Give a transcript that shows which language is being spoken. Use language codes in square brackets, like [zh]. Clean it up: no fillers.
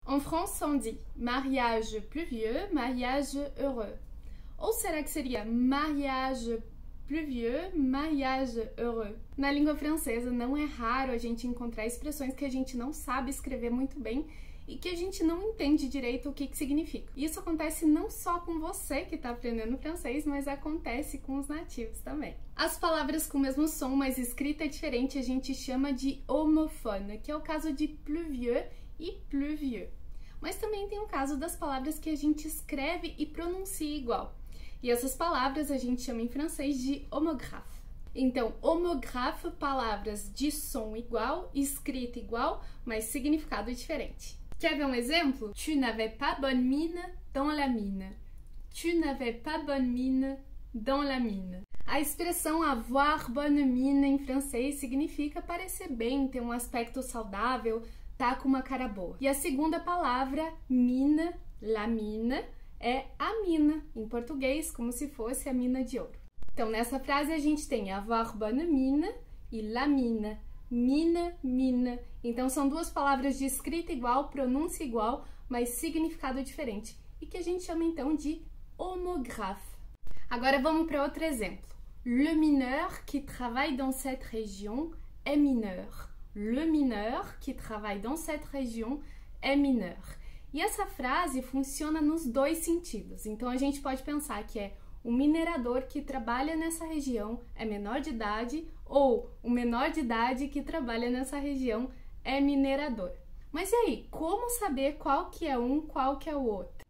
[fr] En France, on dit mariage pluvieux, mariage heureux. [pt] Ou será que seria [fr] mariage pluvieux, mariage heureux? [pt] Na língua francesa, não é raro a gente encontrar expressões que a gente não sabe escrever muito bem e que a gente não entende direito o que que significa. Isso acontece não só com você que está aprendendo francês, mas acontece com os nativos também. As palavras com o mesmo som, mas escrita diferente, a gente chama de homofone, que é o caso de pluvieux e pluvieux. Mas também tem o caso das palavras que a gente escreve e pronuncia igual. E essas palavras a gente chama em francês de homographe. Então, homographe, palavras de som igual, escrita igual, mas significado diferente. Quer ver um exemplo? [fr] Tu n'avais pas bonne mine dans la mine. Tu n'avais pas bonne mine dans la mine. [pt] A expressão [fr] avoir bonne mine [pt] em francês significa parecer bem, ter um aspecto saudável, tá com uma cara boa. E a segunda palavra, mina, la mina, é a mina, em português, como se fosse a mina de ouro. Então, nessa frase, a gente tem [fr] avoir bonne mine [pt] e la mina. Mina, mina. Então, são duas palavras de escrita igual, pronúncia igual, mas significado diferente. E que a gente chama, então, de homographe. Agora, vamos para outro exemplo. [fr] Le mineur qui travaille dans cette région est mineur. Le mineur qui travaille dans cette région est mineur. [pt] E essa frase funciona nos dois sentidos. Então, a gente pode pensar que é o minerador que trabalha nessa região é menor de idade ou o menor de idade que trabalha nessa região é minerador. Mas e aí, como saber qual que é um, qual que é o outro?